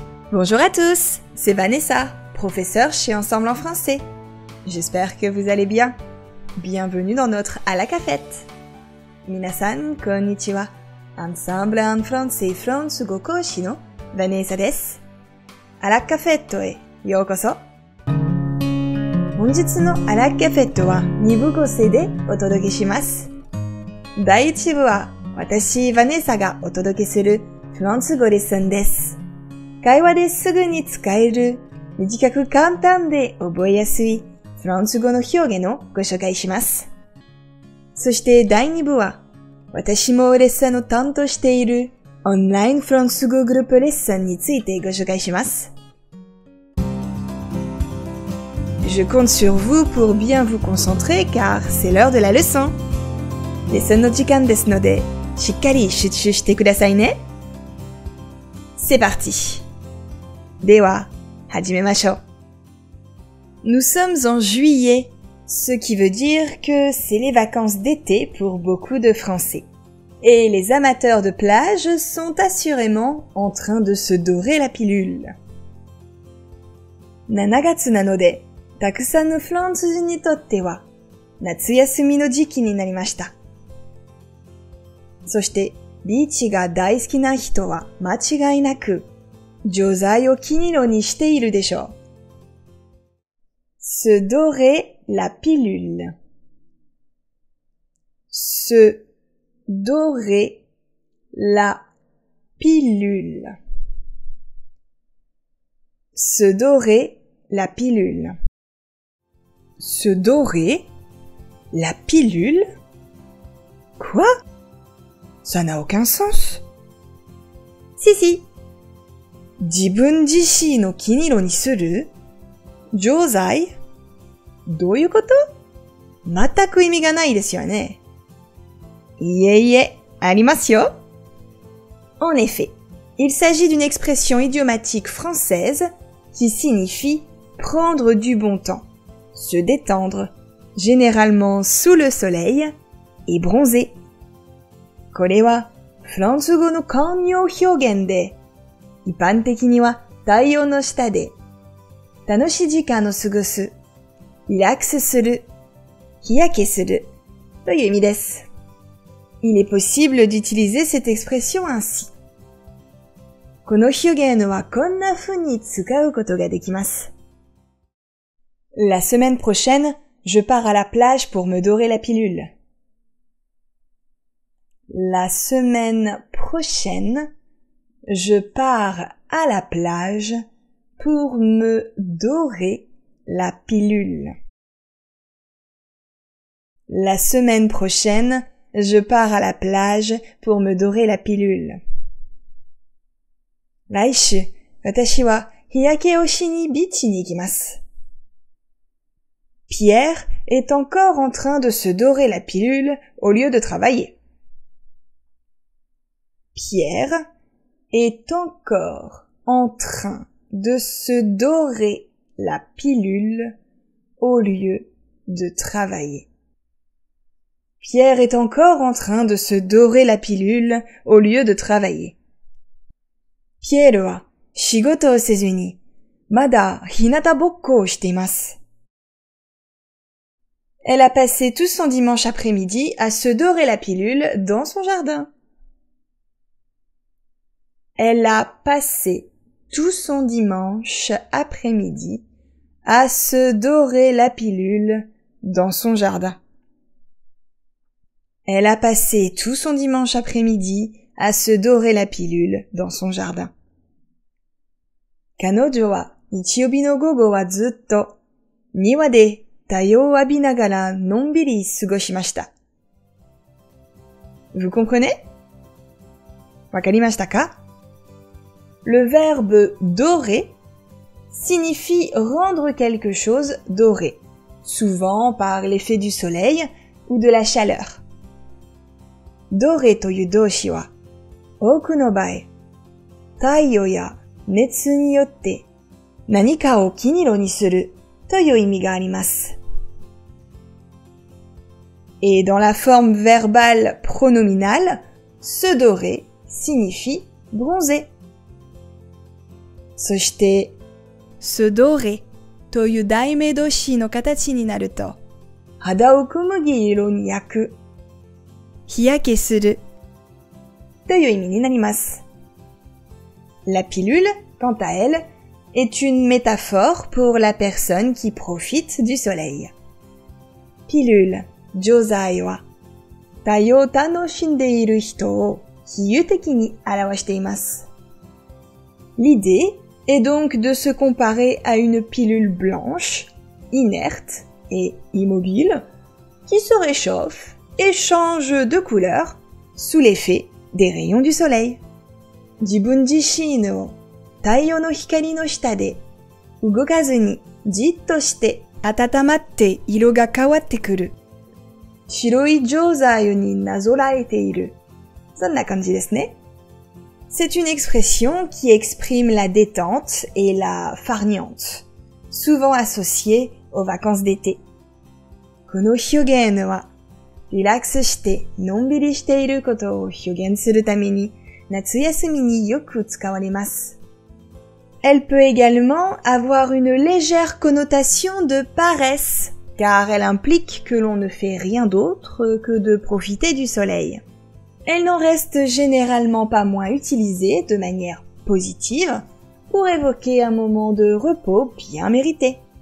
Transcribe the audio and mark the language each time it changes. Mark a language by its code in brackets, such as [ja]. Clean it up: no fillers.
[fr] Bonjour à tous, c'est Vanessa, professeur chez Ensemble en français. J'espère que vous allez bien. Bienvenue dans notre à la cafette. [ja] Minasan konnichiwa. Ensemble en français, France go koshi no Vanessa desu. À la cafette へようこそ。本日のあらカフェットは2部構成でお届けします。第1部は私、Vanessaがお届けするフランス語レッスンです。会話ですぐに使える、短く簡単で覚えやすいフランス語の表現をご紹介します。そして第2部は、私もレッスンを担当しているオンラインフランス語グループレッスンについてご紹介します。 [fr] Je compte sur vous pour bien vous concentrer car c'est l'heure de la leçon. [ja] レッスンの時間ですので、しっかり集中してくださいね。 [fr] C'est parti! [ja] では、始めましょう。 [fr] Nous sommes en juillet, ce qui veut dire que c'est les vacances d'été pour beaucoup de Français. Et les amateurs de plage sont assurément en train de se dorer la pilule. [ja] 7月なので、たくさんのフランス人にとっては、夏休みの時期になりました。そして、ビーチが大好きな人は間違いなく、錠剤を金色にしているでしょう。 [fr] se dorer la pilule. se dorer la pilule. se dorer la pilule. se dorer la pilule? Quoi? Ça n'a aucun sens. Si, si. [ja] 自分自身の金色にする錠剤どういうこと全く意味がないですよね。いえいえ、ありますよ。 [fr] En effet, il s'agit d'une expression idiomatique française qui signifie prendre du bon temps, se détendre, généralement sous le soleil et bronzer. [ja] これはフランス語の慣用表現で一般的には太陽の下で、楽しい時間を過ごす、リラックスする、日焼けするという意味です。 [fr] Il est possible d'utiliser cette expression ainsi. [ja] この表現はこんな風に使うことができます。 [fr] La semaine prochaine, je pars à la plage pour me dorer la pilule. La semaine prochaine,Je pars à la plage pour me dorer la pilule. La semaine prochaine, je pars à la plage pour me dorer la pilule. [ja] 来週、私は日焼けをしにビーチに行きます。 [fr] Pierre est encore en train de se dorer la pilule au lieu de travailler. Pierre... est encore en train de se dorer la pilule au lieu de travailler. Pierre est encore en train de se dorer la pilule au lieu de travailler. [ja] Pierre は仕事をせずに、まだ日向ぼっこをしています。 [fr] Elle a passé tout son dimanche après-midi à se dorer la pilule dans son jardin. Elle a passé tout son dimanche après-midi à se dorer la pilule dans son jardin. Elle a passé tout son dimanche après-midi à se dorer la pilule dans son jardin. [ja] 彼女は日曜日の午後はずっと庭で太陽を浴びながらのんびり過ごしました。 [fr] Vous comprenez? [ja] わかりましたか? [fr] Le verbe dorer signifie rendre quelque chose doré, souvent par l'effet du soleil ou de la chaleur. [ja] Dorer という動詞は、多くの場合、太陽や熱によって何かを黄色にするという意味があります。 [fr] Et dans la forme verbale pronominale, se dorer signifie bronzer. [ja] そして、 se dorer という代名動詞の形になると、肌を小麦色に焼く、日焼けするという意味になります。 [fr] La pilule, quant à elle, est une métaphore pour la personne qui profite du soleil. [ja] Pilule, 錠剤は、太陽を楽しんでいる人を比喩的に表しています。 [fr] L'idée est donc de se comparer à une pilule blanche, inerte et immobile, qui se réchauffe et change de couleur sous l'effet des rayons du soleil. [ja] 自分自身を太陽の光の下で動かずにじっとして温まって色が変わってくる。白い錠剤になぞらえている。そんな感じですね。 [fr] C'est une expression qui exprime la détente et la farniente, souvent associée aux vacances d'été. [ja] この表現はリラックスしてのんびりしていることを表現するために夏休みによく使われます。 [fr] Elle peut également avoir une légère connotation de paresse, car elle implique que l'on ne fait rien d'autre que de profiter du soleil. Elle n'en reste généralement pas moins utilisée de manière positive pour évoquer un moment de repos bien mérité.